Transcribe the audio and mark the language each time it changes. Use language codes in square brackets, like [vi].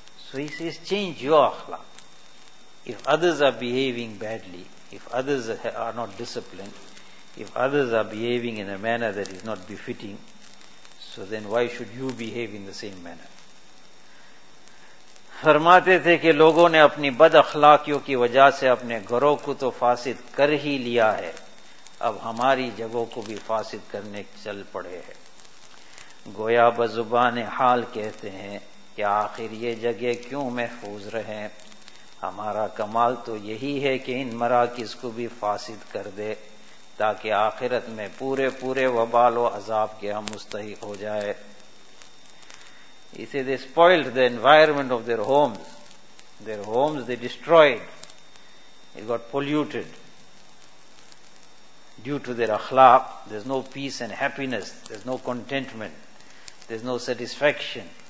[en] So he says, change your akhlaq. If others are behaving badly, if others are not disciplined, if others are behaving in a manner that is not befitting, so then why should you behave in the same manner? [ur] فرماتے تھے کہ لوگوں نے اپنی بد اخلاقیوں کی وجہ سے اپنے گھروں کو تو فاسد کر ہی لیا ہے, اب ہماری جگہوں کو بھی فاسد کرنے چل پڑے ہیں. گویا بزبان حال کہتے ہیں کہ آخر یہ جگہ کیوں محفوظ رہے ہیں, ہمارا کمال تو یہی ہے کہ ان مراکز کو بھی فاسد کر دے تاکہ آخرت میں پورے پورے وبال و عذاب کے ہم مستحق ہو جائے. [en] He says they spoiled the environment of their homes. Their homes they destroyed. It got polluted due to their akhlaq. There's no peace and happiness. There's no contentment. There's no satisfaction.